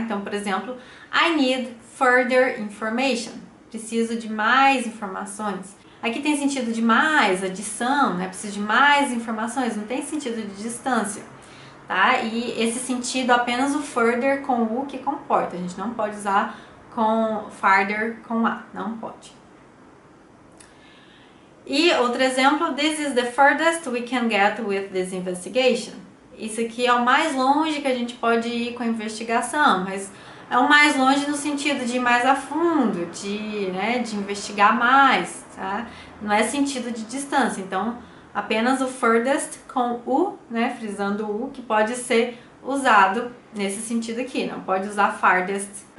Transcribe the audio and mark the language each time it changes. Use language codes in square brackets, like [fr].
[pt] Então, por exemplo, [en] I need further information, [pt] preciso de mais informações. Aqui tem sentido de mais, adição, né? Preciso de mais informações, não tem sentido de distância, tá? E esse sentido, apenas o further com U que comporta, a gente não pode usar com farther com A, não pode. E outro exemplo, [en] this is the furthest we can get with this investigation. [pt] Isso aqui é o mais longe que a gente pode ir com a investigação, mas é o mais longe no sentido de ir mais a fundo, de, né, de investigar mais, tá? Não é sentido de distância, então apenas o furthest com U, né, frisando U, que pode ser usado nesse sentido aqui, não pode usar farthest.